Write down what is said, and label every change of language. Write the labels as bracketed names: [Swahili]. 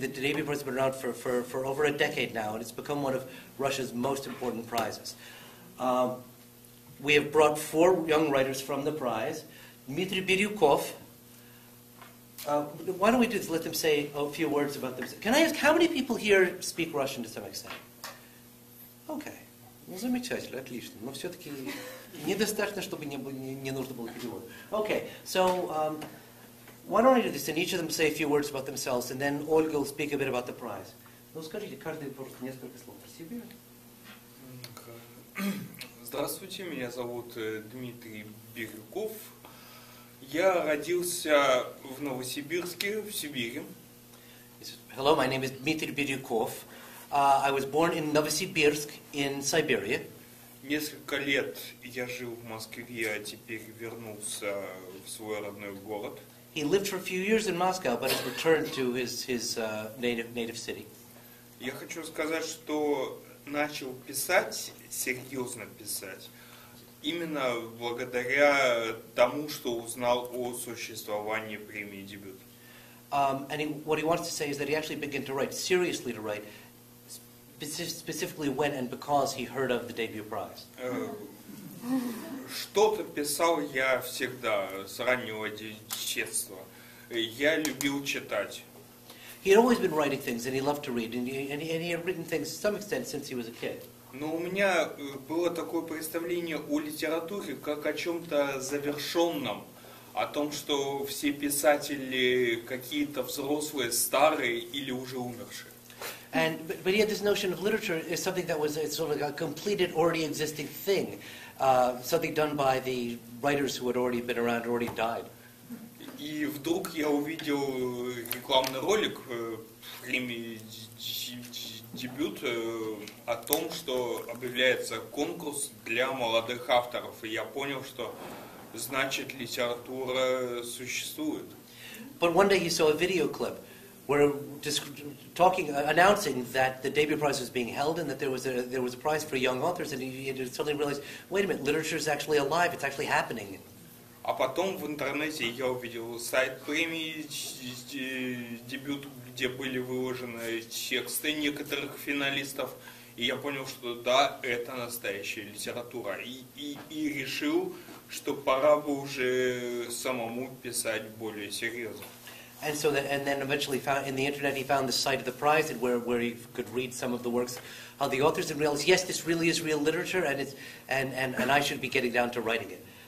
[English] The Debut Prize has been around for over a decade now, and it's become one of Russia's most important prizes. We have brought four young writers from the prize. Dmitry Birukov. Why don't we just let them say a few words about themselves? Can I ask, how many people here speak Russian to some extent? Okay. [Russian] Ну, замечательно, отлично. Но все-таки недостаточно, чтобы не нужно было перевод. [English] Okay, so why don't I do this, and each of them say a few words about themselves, and then Olga will speak a bit about the prize. [Russian] Ну, скажите, каждый просто несколько слов про себя. Здравствуйте, меня зовут Дмитрий Бирюков. Я родился в Новосибирске, в Сибири. [English] Hello, my name is Dmitry Biryukov. I was born in Novosibirsk, in Siberia. [Russian] Несколько лет я жил в Москве, а теперь вернулся в свой родной город. [English] He lived for a few years in Moscow, but has returned to his native city. [Russian] Я хочу сказать, что начал писать, серьезно писать, именно благодаря тому, что узнал о существовании премии «Дебют». [English] What he wants to say is that he actually began to write, seriously to write, specifically when and because he heard of the Debut Prize. [Russian] Что-то писал я всегда, с раннего детства. Я любил читать. [English] He had always been writing things, and he loved to read, and he had written things to some extent since he was a kid. [Russian] Но у меня было такое представление о литературе как о чем-то завершенном, о том, что все писатели какие-то взрослые, старые или уже умершие. [English] But he had this notion of literature as something that was sort of like a completed, already existing thing, something done by the writers who had already been around, already died. [Russian] И вдруг я увидел рекламный ролик премии «Дебют» о том, что объявляется конкурс для молодых авторов. И я понял, что значит литература существует. [English] But one day he saw a video clip announcing that the Debut Prize was being held and that there was a prize for young authors, and he suddenly realized, wait a minute, literature is actually alive, it's actually happening. [Russian] А потом в интернете я увидел сайт премии «Дебют», где были выложены тексты некоторых финалистов, и я понял, что да, это настоящая литература, и решил, что пора бы уже самому писать более серьезно. [English] And so then eventually found in the internet he found the site of the prize and where he could read some of the works of the authors and realized, yes, this really is real literature and I should be getting down to writing it.